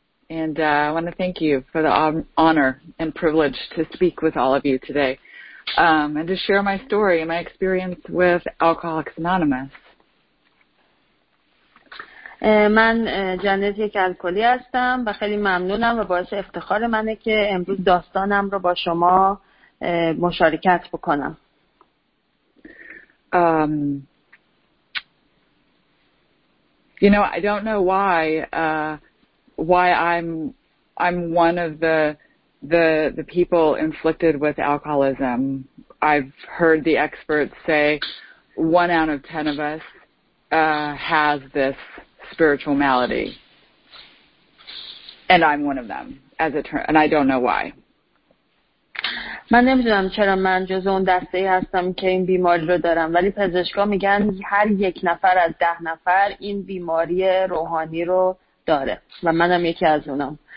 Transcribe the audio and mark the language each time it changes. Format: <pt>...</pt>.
<en>And I want to thank you for the honor and privilege to speak with all of you today and to share my story and my experience with Alcoholics Anonymous.</en> <fa>من جنت یک الکلی هستم و خیلی ممنونم و باعث افتخار منه که امروز داستانم رو با شما مشارکت بکنم.</fa> <en>You know, I don't know why I'm one of the people inflicted with alcoholism. I've heard the experts say 1 out of 10 of us has this spiritual malady, and I'm one of them. And I don't know why.</en> <fa>من نمیدونم چرا من جز اون دسته‌ای هستم که این بیماری رو دارم، ولی پزشکا میگن هر یک نفر از 10 نفر این بیماری روحانی رو داره و منم یکی از اونام.</fa>